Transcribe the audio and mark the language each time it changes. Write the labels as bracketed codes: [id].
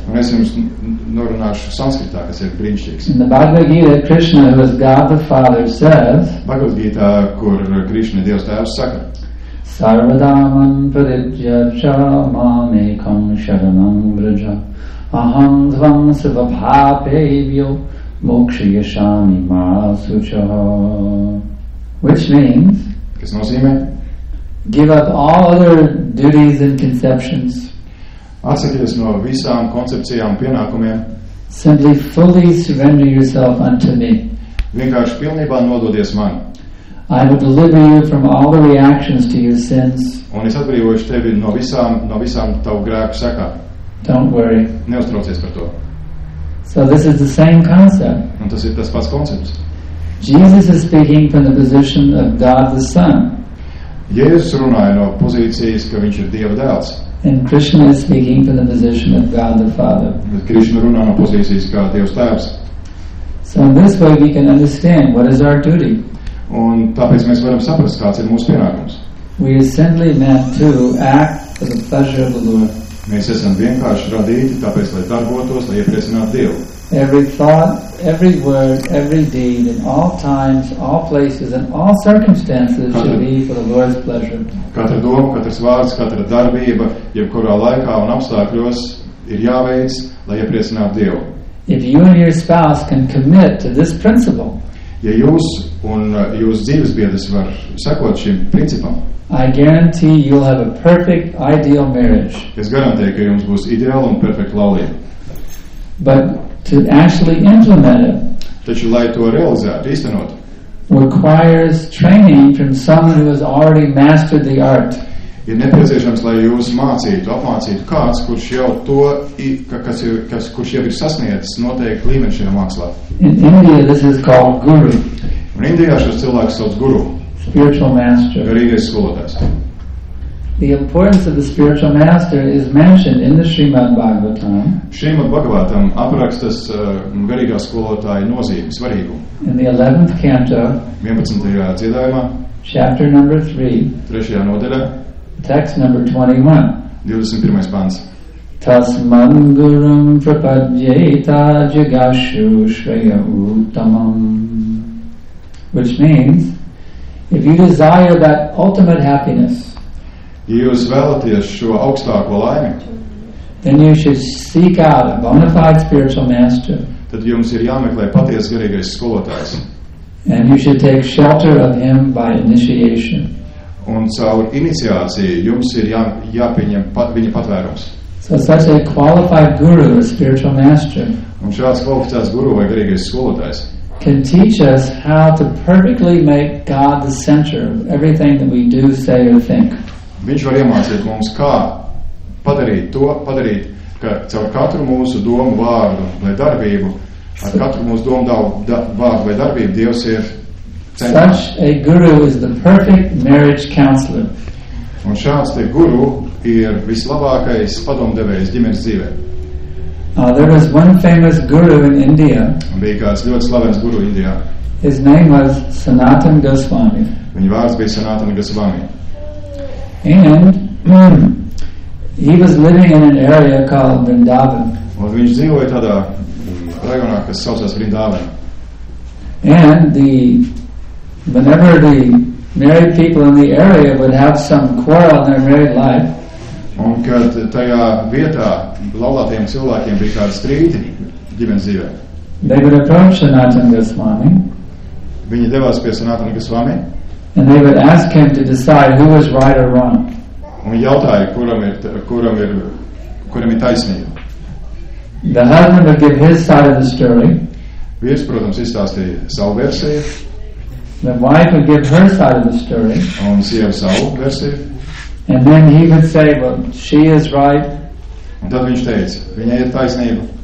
[lv] Un es jums norunāšu Sanskritā, kas ir brīnišķīgs. [en] In the Bhagavad Gita, Krishna, who is God the Father, says, [lv] Bhagavad Gita, kur Krishna Dievs Tēvs saka, [sa] Sarvadāman paridya ca māmekam sharanam vraja aham dvam svabhāpevyo mokṣayāmi māsucha. [en] Which means, [lv] kas nozīmē? [en] Give up all other duties and conceptions. [lv] Atsakies no visām koncepcijām pienākumiem. [en] Simply fully surrender yourself unto me. [lv] Vienkārši pilnībā nododies man. [en] I will deliver you from all the reactions to your sins. [lv] Un es atbrīvošu tevi no visām tavu grēku sekām. [en] Don't worry. [lv] Neuztraucies par to. [en] So this is the same concept. [lv] Un tas ir tas pats koncepts. [en] Jesus is speaking from the position of God the Son. [lv] Jēzus runāja no pozīcijas, ka viņš ir Dieva dēls. [en] And Krishna is speaking from the position of God the Father. [lv] Bet Krishna runā no pozīcijas kā Dievs Tēvs. [en] So in this way we can understand what is our duty. [lv] Un tāpēc mēs varam saprast, kāds ir mūsu pienākums. [en] We are simply meant to act for the pleasure of the Lord. [lv] Mēs esam vienkārši radīti, tāpēc, lai darbotos, lai iepriecinātu Dievu. [en] Every thought, every word, every deed, in all times, all places, and all circumstances should be for the Lord's pleasure. [lv] Katra doma, katrs vārds, katra darbība, jebkurā laikā un apstākļos ir jāveic, lai iepriecinātu Dievu. [en] If you and your spouse can commit to this principle, [lv] ja jūs un jūs dzīves biedrs var sekot šim principam, [en] I guarantee you'll have a perfect, ideal marriage. [lv] Es garantēju, ka jums būs ideāla un perfekta laulība. [en] But to actually implement it, [lv] taču, lai to realizētu, īstenot, [en] requires training from someone who has already mastered the art. [lv] Ir nepieciešams, lai jūs mācītu, apmācītu kāds, kurš jau to, kurš jau ir sasniedzis noteikti līmeni šajā mākslā. [en] In India, this is called guru. [lv] Un Indijā šos cilvēks sauc guru. [en] Spiritual master. [lv] Garīgais skolotājs. [en] The importance of the spiritual master is mentioned in the Srimad Bhagavatam. [lv] Srimad Bhagavatam aprakstas garīgā skolotāja nozīme, svarīgumu. [en] In the 11th canto, [lv] 11. dziedājumā, [en] chapter number 3, [lv] 3. nodaļā, [en] text number 21. [lv] 21. [sa] Tasman gurum prapadyeta jagashu shreya uttamam. [en] Which means, if you desire that ultimate happiness, [lv] ja jūs vēlaties šo augstāko laimi, [en] then you should seek out a bona fide spiritual master. [lv] Tad jums ir jāmeklē paties garīgais skolotājs. [en] And you should take shelter of him by initiation. [lv] Un caur iniciāciju jums ir jāpieņem viņa patvērums. [en] So such a qualified guru, a spiritual master, [lv] un šāds kvalificēts guru vai garīgais skolotājs, [en] can teach us how to perfectly make God the center of everything that we do, say, or think. [lv] Viņš var iemācīt mums, kā padarīt to, padarīt, ka caur katru mūsu domu vārdu vai darbību, ar katru mūsu domu vārdu vai darbību, Dievs ir centrā. [en] Such a guru is the perfect marriage counselor. [lv] Un šāds te guru ir vislabākais padomdevējs ģimenes dzīvē. [en] There was one famous guru in India. [lv] Bija kāds ļoti slavens guru Indijā. [en] His name was Sanatana Goswami. [lv] Viņa vārds bija Sanatana Goswami. [en] And he was living in an area called Vrindavan. [lv] Un viņš dzīvoja tādā rajonā, kas saucās Vrindavan. [en] And whenever the married people in the area would have some quarrel in their married life, [lv] un kad tajā vietā laulātiem cilvēkiem bija kāda strīdi ģimenes dzīvē, [en] they would approach Sanatana Goswami. [lv] Viņi devās pie Sanatana Goswami. [en] And they would ask him to decide who was right or wrong. [lv] Un jautāja, kuram ir taisnība. [en] The husband would give his side of the story. [lv] Vīrs, protams, izstāstīja savu versiju. [en] The wife would give her side of the story. [lv] Un sieva savu versiju. [en] And then he would say, well, she is right. [lv] Un tad viņš teica, viņai ir taisnība.